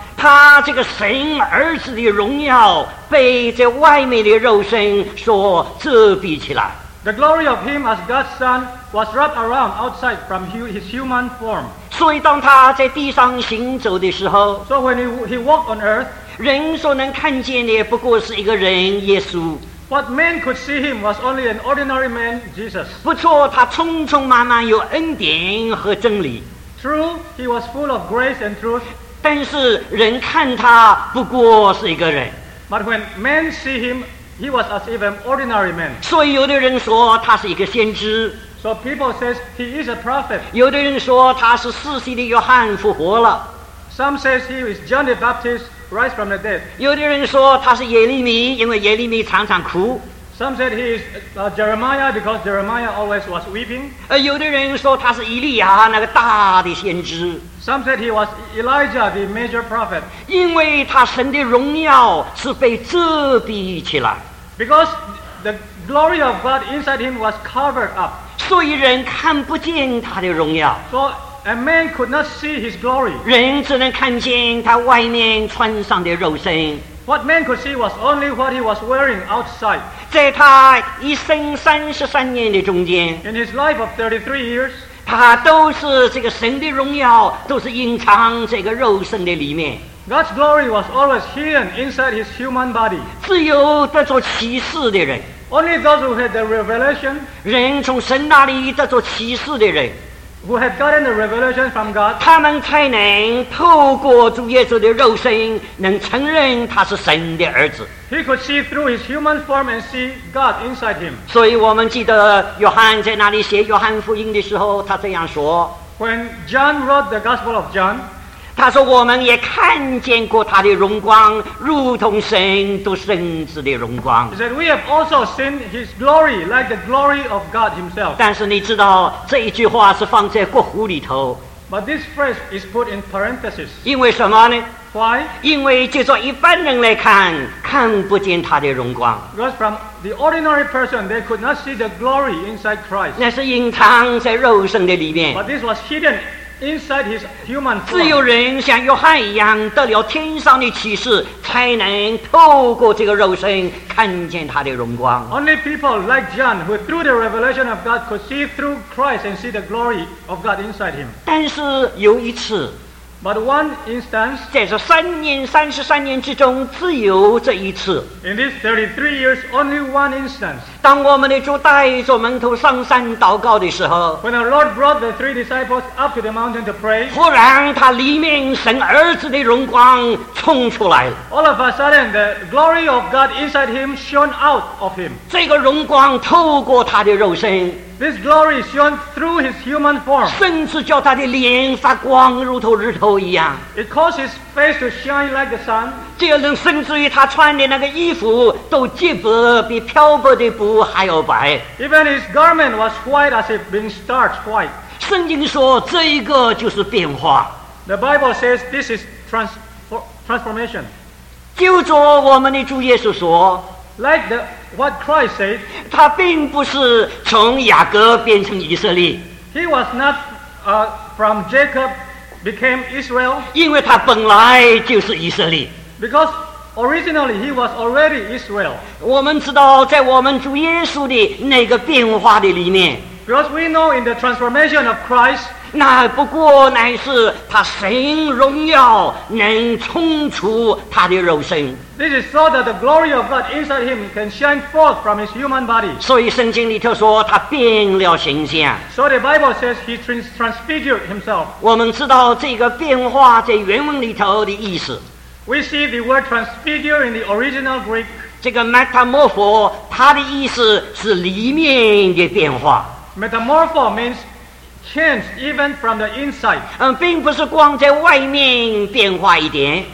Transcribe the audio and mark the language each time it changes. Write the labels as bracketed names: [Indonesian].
[Chinese] 他这个神儿子的荣耀被这外面的肉身所遮蔽起来。 [English] The glory of him as God's son was wrapped around outside from his human form. [Chinese] 所以当他在地上行走的时候， [English] so when he walked on earth, [Chinese] 人所能看见的不过是一个人耶稣。 [English] What men could see him was only an ordinary man, Jesus. [Chinese] 不错，他匆匆忙忙有恩典和真理。 [English] True, he was full of grace and truth. [Chinese] 但是人看他不过是一个人。 [English] But when men see him,He was as if an ordinary man. [Chinese] 所以有的人说他是一个先知。 [English] So people says he is a prophet. [Chinese] 有的人说他是四世的约翰复活了。 [English] Some says he is John the Baptist, rise from the dead. [Chinese] 有的人说他是耶利米，因为耶利米常常哭。 [English] Some said he is Jeremiah because Jeremiah always was weeping. [Chinese] 有的人说他是以利亚那个大的先知。 [English] Some said he was Elijah the major prophet. [Chinese] 因为他神的荣耀是被遮蔽起来。 [English] Because the glory of God inside him was covered up. [Chinese] 所以人看不见他的荣耀。 [English] So a man could not see his glory. [Chinese] 人只能看见他外面穿上的肉身。 [English] What man could see was only what he was wearing outside. [Chinese] 在他一生三十三年的中间， [English] In his life of 33 years, [Chinese] 他都是这个神的荣耀，都是隐藏这个肉身的里面。 [English] God's glory was always hidden inside his human body. [Chinese] 只有得着启示的人， [English] Only those who had the revelation, [Chinese] 人从神那里得着启示的人， [English] who had gotten the revelation from God, [Chinese] 他们才能透过主耶稣的肉身，能承认他是神的儿子。 [English] He could see through his human form and see God inside him. [Chinese] 所以我们记得约翰在那里写约翰福音的时候，他这样说。 [English] When John wrote the Gospel of John, [Chinese] 他说我们也看见过他的荣光，如同神独生子的荣光。 [English] He said we have also seen his glory like the glory of God himself. [Chinese] 但是你知道这一句话是放在括弧里头。 [English] But this phrase is put in parentheses. [Chinese] 因为什么呢？ [English] Why? [Chinese] 因为就说一般人来看，看不见他的荣光。 [English] Because from the ordinary person, they could not see the glory inside Christ. [Chinese] 那是隐藏在肉身的里面。 [English] But this was hidden inside his human form. [Chinese] 只有人像约翰一样得了天上的启示，才能透过这个肉身看见他的荣光。 [English] Only people like John, who through the revelation of God could see through Christ and see the glory of God inside him. [Chinese] 但是有一次。 [English] But one instance, [Chinese] 在这三年三十三年之中，只有这一次。 [English] In these 33 years, only one instance. [Chinese] 当我们的主带着门徒上山祷告的时候， [English] When our Lord brought the three disciples up to the mountain to pray, [Chinese] 忽然他里面神儿子的荣光冲出来了。 [English] All of a sudden, the glory of God inside him shone out of him. [Chinese] 这个荣光透过他的肉身。 [English] This glory shone through his human form. [Chinese] 甚至叫他的脸发光，如同日头一样。 [English] It caused his face to shine like the sun. [Chinese] 这个人甚至于他穿的那个衣服都洁白，比漂泊的布还要白。 [English] Even his garment was white as if being starched white. [Chinese] 圣经说这一个就是变化。 [English] The Bible says this is transformation. [Chinese] 就着我们的主耶稣说。 [English] Like the what Christ said, [Chinese] 他并不是从雅各变成以色列。 [English] He was not from Jacob became Israel. [Chinese] 因为他本来就是以色列。 [English] Because originally he was already Israel. [Chinese] 我们知道在我们主耶稣的那个变化的里面。 [English] Because we know in the transformation of Christ, [Chinese] 那不过乃是他神荣耀能冲出他的肉身。 [English] This is so that the glory of God inside him can shine forth from his human body. [Chinese] 所以圣经里头说他变了形象。 [English] So the Bible says he transfigured himself. [Chinese] 我们知道这个变化在原文里头的意思。 [English] We see the word transfigure in the original Greek. [Chinese] 这个 metamorpho 它的意思是里面的变化。 [English] Metamorpho means change even from the inside. [Chinese] 并不是光在外面变化一点。